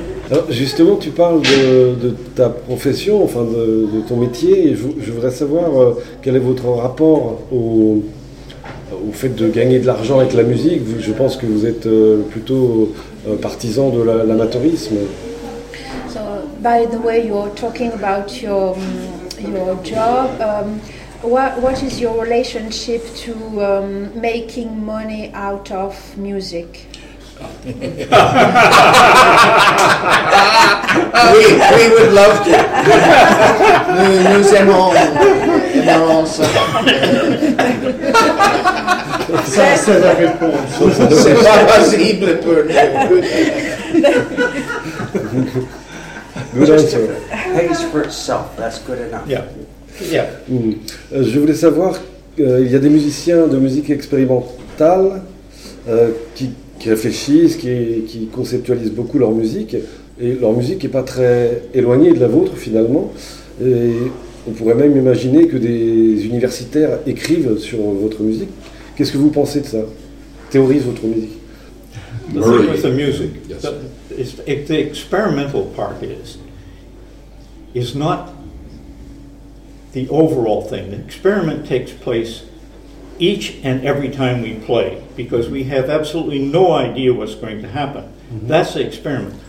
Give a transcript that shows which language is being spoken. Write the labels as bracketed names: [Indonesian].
[French] Alors, justement, tu parles de ta profession, enfin de ton métier. Et je voudrais savoir quel est votre rapport au fait de gagner de l'argent avec la musique. Je pense que vous êtes plutôt partisan de l'amateurisme. [English] So, by the way, you're talking about your job. What is your relationship to making money out of music? we would love to. [French] Nous aimerons ça. Ça, c'est la réponse. C'est pas possible pour nous. [English] Good answer. Pays for itself, that's good enough. Yeah. [French] Je voulais savoir, il y a des musiciens de musique expérimentale qui réfléchissent, qui conceptualisent beaucoup leur musique, et leur musique n'est pas très éloignée de la vôtre finalement, et on pourrait même imaginer que des universitaires écrivent sur votre musique. Qu'est-ce que vous pensez de ça? Théorisez votre musique. [English] The music, the experimental part is not the overall thing. The experiment takes place each and every time we play, because we have absolutely no idea what's going to happen. Mm-hmm. That's the experiment.